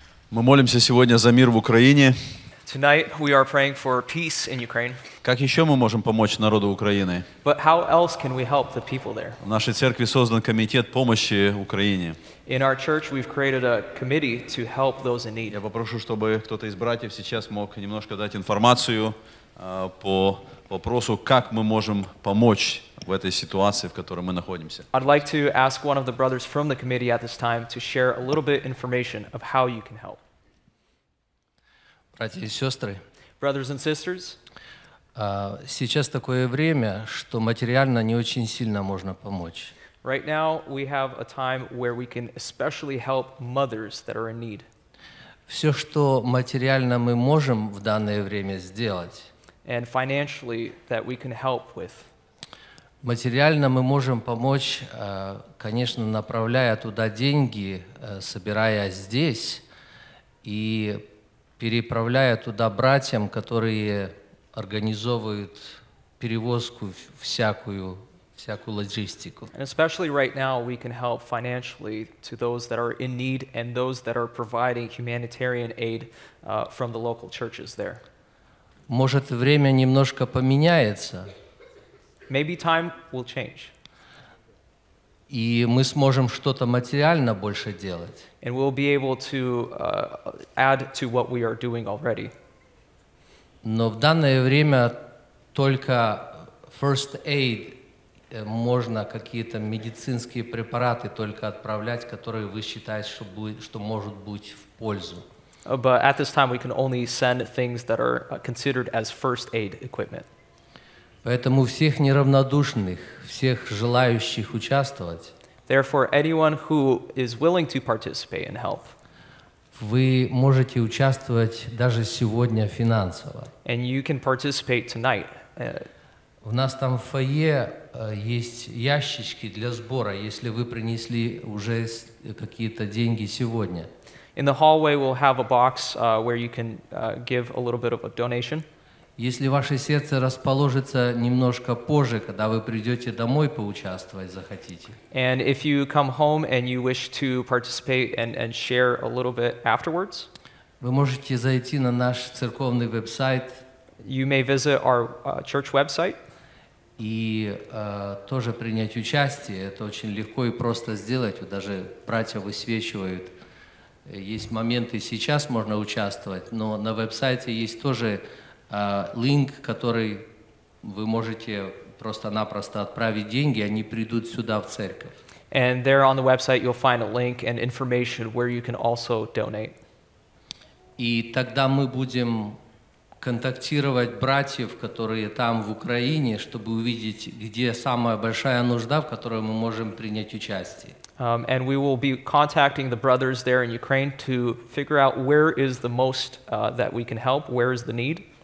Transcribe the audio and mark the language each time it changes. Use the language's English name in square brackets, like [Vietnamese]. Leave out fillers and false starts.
[Russian] Мы молимся сегодня за мир в Украине. [English] Tonight we are praying for peace in Ukraine. [Russian] Как еще мы можем помочь народу Украины? [English] But how else can we help the people there? [Russian] В нашей церкви создан комитет помощи Украине. [English] In our church we've created a committee to help those in need. [Russian] Я попрошу, чтобы кто-то из братьев сейчас мог немножко дать информацию по вопросу, как мы можем помочь в этой ситуации, в которой мы находимся. [English] I'd like to ask one of the brothers from the committee at this time to share a little bit information of how you can help. [Russian] Братья и сестры, [English] brothers and sisters, [Russian] сейчас такое время, что материально не очень сильно можно помочь. [English] Right now we have a time where we can especially help mothers that are in need. [Russian] Все, что материально мы можем в данное время сделать, [English] and financially that we can help with. [Russian] Материально мы можем помочь, конечно, направляя туда деньги, собирая здесь и переправляя туда братьям, которые организовывают перевозку всякую логистику. [English] And especially right now, we can help financially to those that are in need and those that are providing humanitarian aid from the local churches there. [Russian] Может, время немножко поменяется. [English] Maybe time will change. [Russian] И мы сможем что-то материально больше делать. [English] And we'll be able to add to what we are doing already. [Russian] Но в данное время только [English] first aid [Russian] можно какие-то медицинские препараты только отправлять, которые вы считаете, что будет, что может быть в пользу. [English] But at this time we can only send things that are considered as first aid equipment. [Russian] Поэтому всех неравнодушных, всех желающих участвовать. [English] Therefore, anyone who is willing to participate and help. [Russian] Вы можете участвовать даже сегодня финансово. [English] And you can participate tonight. [Russian] У нас там в фойе есть ящички для сбора, если вы принесли уже какие-то деньги сегодня. [English] In the hallway we'll have a box where you can give a little bit of a donation. [Russian] Если ваше сердце расположится немножко позже, когда вы придете домой поучаствовать, захотите. [English] And if you come home and you wish to participate and share a little bit afterwards, [Russian] вы можете зайти на наш церковный веб-сайт. [English] You may visit our church website. [Russian] И тоже принять участие. Это очень легко и просто сделать. Даже братья высвечивают. Есть моменты, сейчас можно участвовать, но на веб-сайте есть тоже линк, который вы можете просто-напросто отправить деньги, они придут сюда в церковь. [English] And there on the website you'll find a link and information where you can also donate. [Russian] И тогда мы будем контактировать братьев, которые там в Украине, чтобы увидеть, где самая большая нужда, в которой мы можем принять участие. [English] And we will be contacting the brothers there in Ukraine to figure out where is the most that we can help, where is the need.